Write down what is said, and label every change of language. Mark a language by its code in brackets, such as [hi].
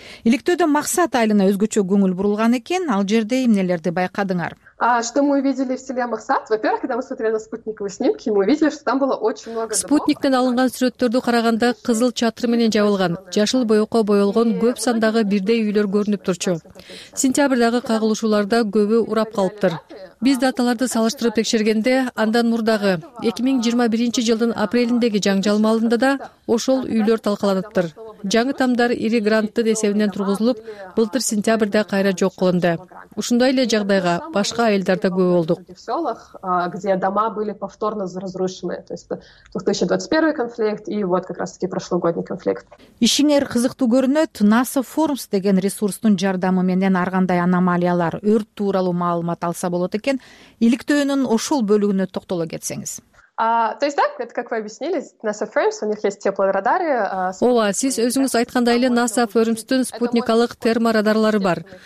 [ky] Иликтөөдө максат айылына өзгөчө көңүл бурулган экен. Ал жерде эмнелерди байкадыңар? [ru] Что мы увидели в селе Максат? Во-первых, когда мы смотрели на спутниковые снимки, мы увидели, что там было очень много домов. [ky] Спутниктен алынган сүрөттөрдү караганда кызыл чатыр менен жабылган, жашыл боёко боелгон көп сандагы бирдей үйлөр көрүнүп турчу. Сентябрдагы кагылышууларда көбү урап калыптыр. Биз даталарды салыштырып текшергенде, андан мурдагы 2021 жылдын апрелиндеги жаңжал маалында да ошол үйлөр талкаланыптыр. жаңы тамдар ири грантты эсебинен тургузулуп, былтыр сентябрда кайра жок кылынды. Ушундай эле жагдайга башка айылдар да күбө болдук. [ru] В селах, где дома были повторно разрушены, то есть 2021 конфликт и вот как раз-таки прошлогодний конфликт. [ky] Ишиңер кызыктуу көрүнөт. NASA Forms деген ресурстун жардамы менен ар кандай аномалиялар, өрт тууралуу маалымат алса болот экен. Иликтөөнүн ошол бөлүгүнө токтоло кетсеңиз. [ru] То есть, да, это как вы объяснили, NASA Frames, у них есть теплорадары. [ky] Ола, сиз өзүңүз айткандай эле NASA Frames-тун спутникалык терморадарлары бар.